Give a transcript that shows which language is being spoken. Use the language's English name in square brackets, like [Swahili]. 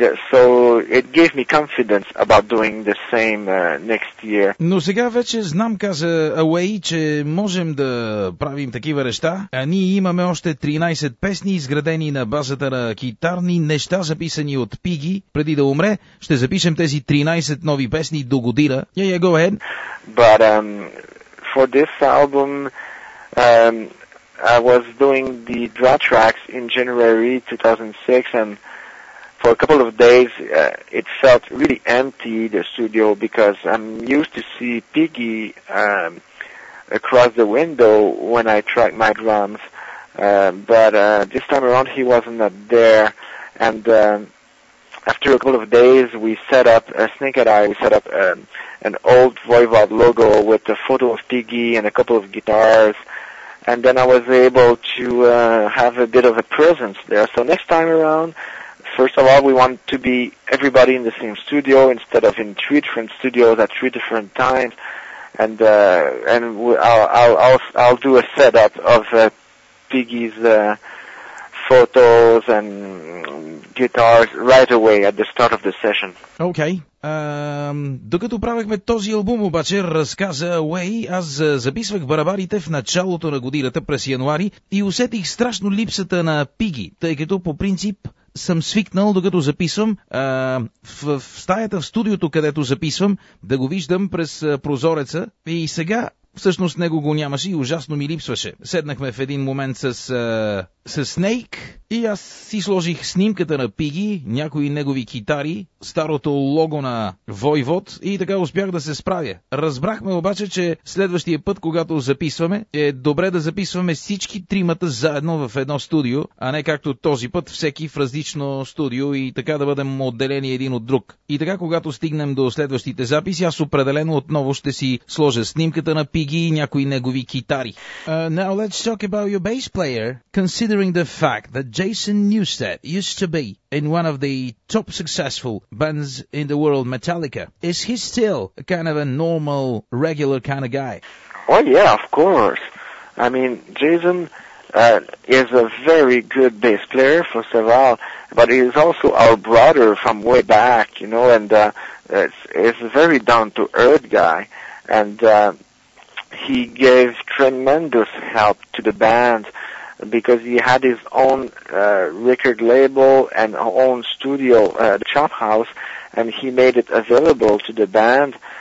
[English] So it gave me confidence about doing the same next year. [Bulgarian] Но сега вече знам, каза Away, че можем да правим такива неща. А ние имаме още 13 песни, изградени на базата на китарни неща, записани от Пиги. Преди да умре, ще запишем тези 13 нови песни до година. [English] Yeah, go ahead. But for this album, I was doing the draw tracks in January 2006, and for a couple of days it felt really empty, the studio, because I'm used to see Piggy across the window when I track my drums, but this time around he wasn't up there, and after a couple of days we set up, Snake and I, we set up an old Voivod logo with a photo of Piggy and a couple of guitars. And then I was able to have a bit of a presence there. So next time around, first of all, we want to be everybody in the same studio instead of in three different studios at three different times. And I'll do a setup of Piggy's photos and guitars right away at the start of the session. Okay. [Bulgarian] Докато правехме този албум обаче, разказа Away, аз записвах барабарите в началото на годината през януари и усетих страшно липсата на Пиги, тъй като по принцип съм свикнал, докато записвам, в стаята в студиото, където записвам, да го виждам през прозореца, и сега всъщност него го нямаше и ужасно ми липсваше. Седнахме в един момент с Snake и аз си сложих снимката на Пиги, някои негови китари, старото лого на Voivod, и така успях да се справя. Разбрахме обаче, че следващия път, когато записваме, е добре да записваме всички тримата заедно в едно студио, а не както този път, всеки в различно студио, и така да бъдем отделени един от друг. И така, когато стигнем до следващите записи, аз определено отново ще си сложа снимката на Пиги и някои негови китари. [English] Now let's talk about your bass player. Considering the fact that Jason Newsted used to be in one of the top successful bands in the world, Metallica, is he still a kind of a normal, regular kind of guy? Oh yeah, of course. I mean, Jason is a very good bass player, first of all, but he is also our brother from way back, you know, and is a very down-to-earth guy, and he gave tremendous help to the band, because he had his own record label and own studio, the Chop House, and he made it available to the band.